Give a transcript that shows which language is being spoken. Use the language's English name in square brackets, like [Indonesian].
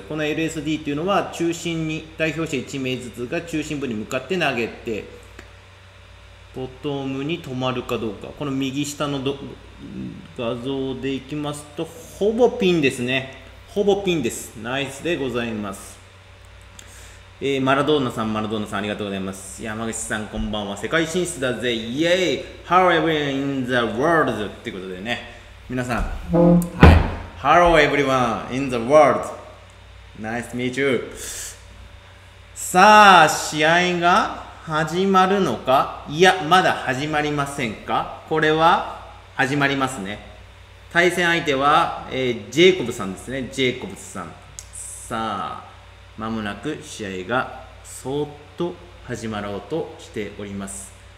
[Japanese] この LSD というのは、中心に代表者1名ずつが中心部に向かって投げて、ボトムに止まるかどうか、この右下の画像でいきますと、ほぼピンですね。ほぼピンです。ナイスでございます。マラドーナさん、ありがとうございます。山口さん、こんばんは。世界進出だぜ。 [English] イェイ !How everyone in the world! [Japanese] ってことでね。皆さん。はい。 [English] Hello everyone in the world! Nice to meet you! [Japanese] さあ、試合が始まるのか、いや、まだ始まりませんか。これは始まりますね。対戦相手は、ジェイコブさんですね。ジェイコブさん、さあ、まもなく試合がそーっと始まろうとしております。